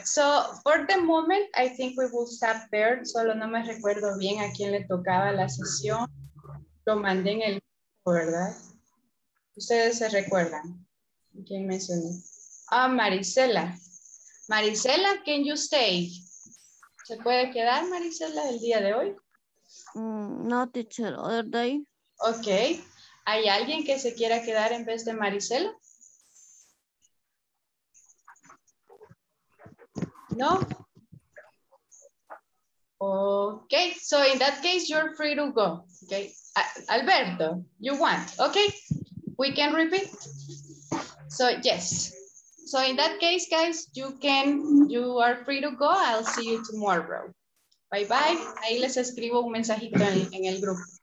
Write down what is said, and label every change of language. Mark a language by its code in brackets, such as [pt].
[en] So, for the moment, I think we will stop there. [es] Solo no me recuerdo bien a quién le tocaba la sesión. Lo mandé en el grupo, ¿verdad? ¿Ustedes se recuerdan? ¿Quién mencioné? [en] Ah, Marisela. Marisela, can you stay? [es] ¿Se puede quedar, Marisela, el día de hoy? [en] No, teacher, other day. Ok. [es] ¿Hay alguien que se quiera quedar en vez de Marisela? No. [en] Ok. So, in that case, you're free to go. Ok. Alberto, you want. Ok. We can repeat. So, yes. So in that case, guys, you are free to go. I'll see you tomorrow. Bye bye. [es] Ahí les escribo un mensajito en el grupo.